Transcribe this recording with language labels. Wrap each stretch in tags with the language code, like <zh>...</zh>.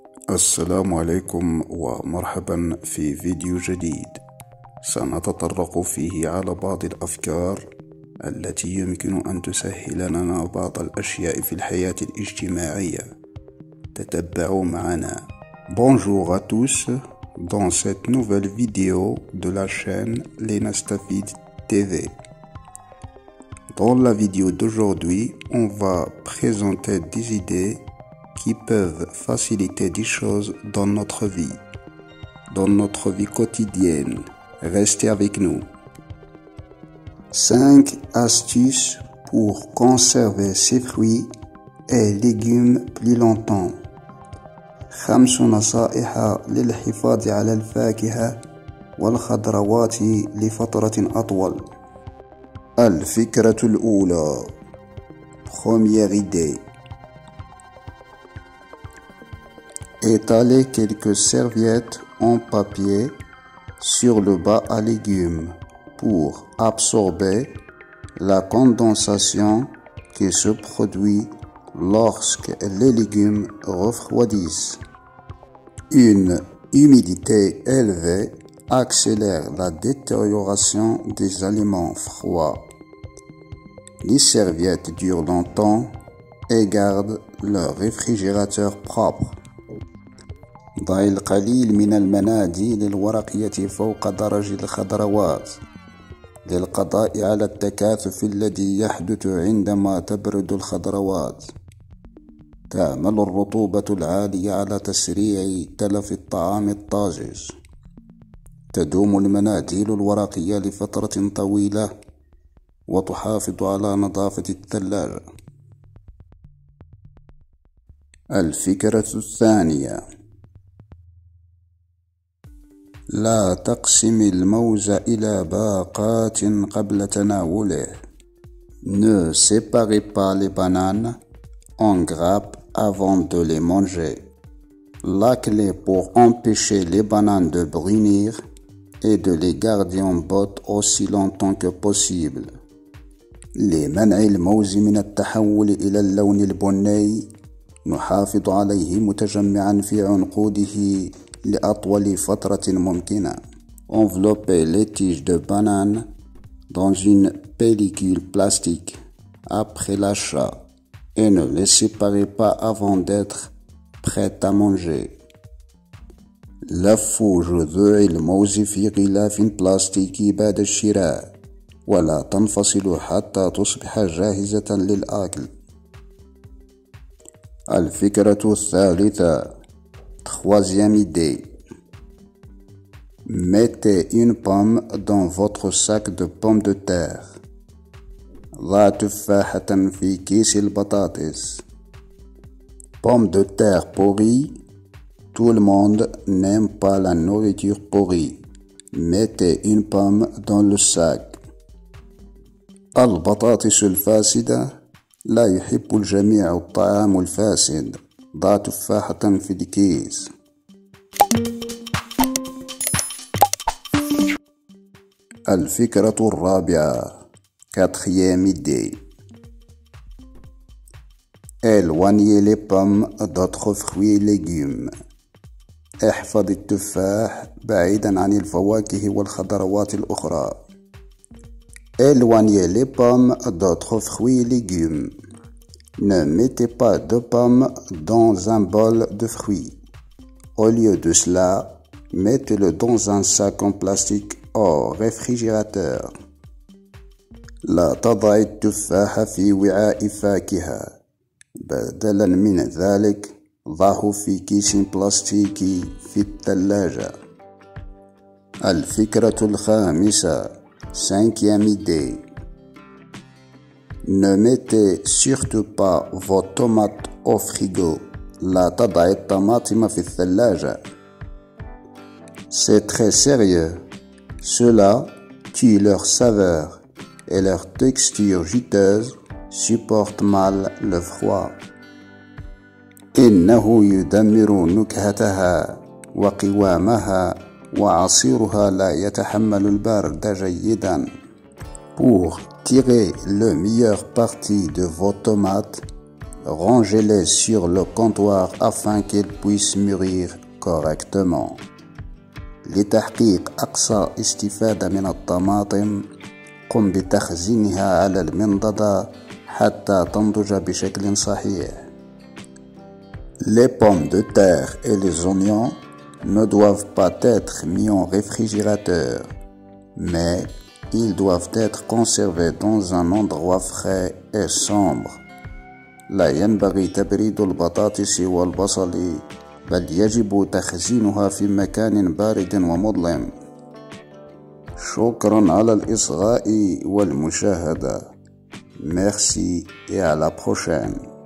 <ar>السلام عليكم ومرحبا في فيديو جديد سنتطرق فيه على بعض الأفكار التي يمكن أن تسهل لنا بعض الأشياء في الحياة الاجتماعية. تتبعوا معنا.</ar> <fr>Bonjour à tous. Dans cette nouvelle vidéo de la chaîne Lenastafid TV. Dans la vidéo d'aujourd'hui, on va présenter des idées qui peuvent faciliter des choses dans notre vie quotidienne. Restez avec nous. 5 astuces pour conserver ses fruits et légumes plus longtemps.</fr> <ar>5 نصائح للحفاظ على الفاكهة والخضروات لفترة أطول. الفكرة الأولى.</ar> <fr>Première idée. Étaler quelques serviettes en papier sur le bas à légumes pour absorber la condensation qui se produit lorsque les légumes refroidissent. Une humidité élevée accélère la détérioration des aliments froids. Les serviettes durent longtemps et gardent leur réfrigérateur propre.</fr> <ar>ضع القليل من المناديل الورقية فوق درج الخضروات للقضاء على التكاثف الذي يحدث عندما تبرد الخضروات. تعمل الرطوبة العالية على تسريع تلف الطعام الطازج. تدوم المناديل الورقية لفترة طويلة وتحافظ على نظافة الثلاجة. الفكرة الثانية. لا تقسم الموز إلى باقات قبل تناوله.</ar> <fr>Ne séparez pas les bananes en grappes avant de les manger. La clé pour empêcher les bananes de brunir est de les garder en botte aussi longtemps que possible.</fr> <ar>لمنع الموز من التحول إلى اللون البني، نحافظ عليه متجمعًا في عنقوده لأطول فترة ممكنة.</ar> <fr>Enveloppez les tiges de banane dans une pellicule plastique après l'achat et ne les séparez pas avant d'être prêt à manger.</fr> <ar>لفوا جذوع الموز في غلاف بلاستيكي بعد الشراء ولا تنفصل حتى تصبح جاهزة للأكل. الفكرة الثالثة.</ar> <fr>Troisième idée. Mettez une pomme dans votre sac de pommes de terre.</fr> <ar>ضع تفاحة في كيس البطاطس.</ar> <fr>Pommes de terre pourries. Tout le monde n'aime pas la nourriture pourrie. Mettez une pomme dans le sac.</fr> <ar>البطاطس الفاسدة. لا يحب الجميع الطعام الفاسد. ضع تفاحة في الكيس. الفكرة الرابعة.</ar> <fr>Quatrième idée. Éloignez les pommes d'autres fruits et légumes.</fr> <ar>احفظ التفاح بعيدا عن الفواكه والخضروات الأخرى.</ar> <fr>Éloignez les pommes d'autres fruits et légumes. Ne mettez pas de pommes dans un bol de fruits. Au lieu de cela, mettez-le dans un sac en plastique au réfrigérateur.</fr> <ar>لا تضع التفاح في وعاء فاكهة. بدلا من ذلك، ضعه في كيس بلاستيكي في الثلاجة. الفكرة الخامسة.</ar> <fr>Cinquième idée. Ne mettez surtout pas vos tomates au frigo.</fr> <ar>لا تضع الطماطم في الثلاجة.</ar> <fr>C'est très sérieux. Cela tue leur saveur et leur texture juteuse supporte mal le froid.</fr> <ar>إنه يدمر نكهتها وقوامها وعصيرها لا يتحمل البرد جيدا.</ar> <fr>Pour tirer le meilleur parti de vos tomates, rangez-les sur le comptoir afin qu'elles puissent mûrir correctement.</fr> <ar>لتحقيق أقصى استفادة من الطماطم، قم بتخزينها على المنضدة حتى تنضج بشكل صحيح.</ar> <fr>Les pommes de terre et les oignons ne doivent pas être mis en réfrigérateur, mais ils doivent être conservés dans un endroit frais et sombre.</fr> <ar>لا ينبغي تبريد البطاطس والبصل، بل يجب تخزينها في مكان بارد ومظلم. شكرا على الإصغاء والمشاهدة.</ar> <fr>Merci et à la prochaine.</fr>